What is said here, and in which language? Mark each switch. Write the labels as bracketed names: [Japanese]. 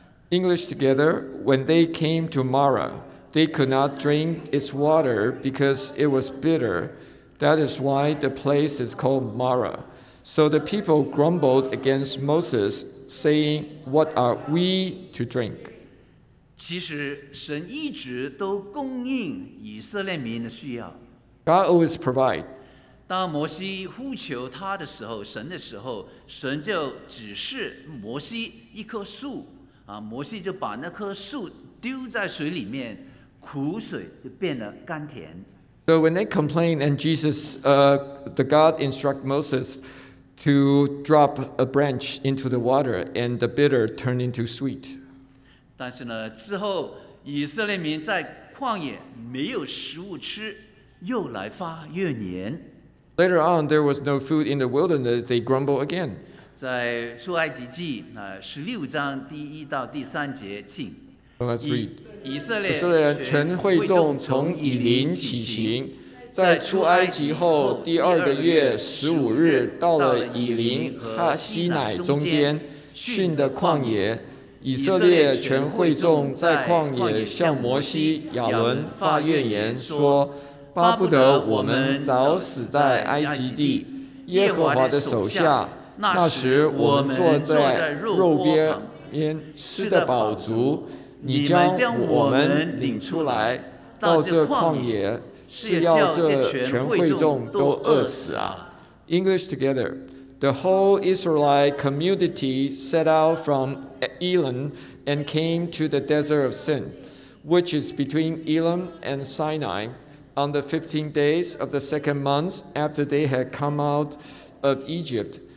[English] English together, when they came to Mara,They could not drink its water because it was bitter. That is why the place is called Mara. So the people grumbled against Moses, saying, "What are we to drink?" [Chinese] 其实神一直都供应以色列民的需要。 [English] God always provides. [Chinese] 当摩西呼求他的时候，神的时候，神就指示摩西一棵树，摩西就把那棵树丢在水里面。苦水就变得甘甜。 [English] So when they complain and Jesus, the God instruct Moses to drop a branch into the water and the bitter turn into sweet. [Chinese] 但是呢，之后以色列民在旷野没有食物吃，又来发怨言。 [English] Later on, there was no food in the wilderness. They grumble again. [Chinese] 在出埃及记16:1-3，请。以色列人全会众从以林起行，在出埃及后第二个月十五日，到了以林和西乃中间，逊的旷野。以色列全会众在旷野向摩西、亚伦发怨言说：巴不得我们早死在埃及地，耶和华的手下。那时我们坐在肉边吃得饱足，你将我们领出来到这旷野，是要这全会众都饿死啊。 [English] English together. The whole Israelite community set out from Elim and came to the desert of Sin, which is between Elim and Sinai, on the 15 days of the second month after they had come out of Egypt.